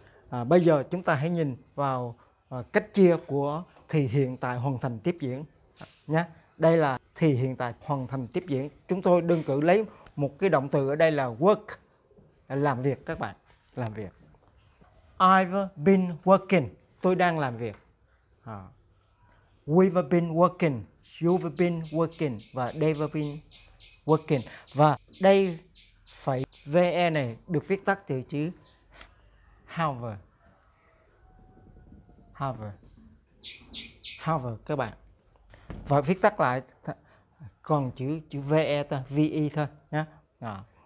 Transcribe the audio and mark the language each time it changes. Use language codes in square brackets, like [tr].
[vi] À, bây giờ chúng ta hãy nhìn vào cách chia của thì hiện tại hoàn thành tiếp diễn. Nha. Đây là thì hiện tại hoàn thành tiếp diễn. Chúng tôi đơn cử lấy một cái động từ ở đây là work, làm việc các bạn, làm việc. [en] I've been working, [vi] tôi đang làm việc. [en] We've been working, you've been working và they've been working. [vi] Và đây phải VE này được viết tắt từ chữ have. Have. Have các bạn. Và viết tắt lại còn chữ VE thôi, VE thôi nhá. À.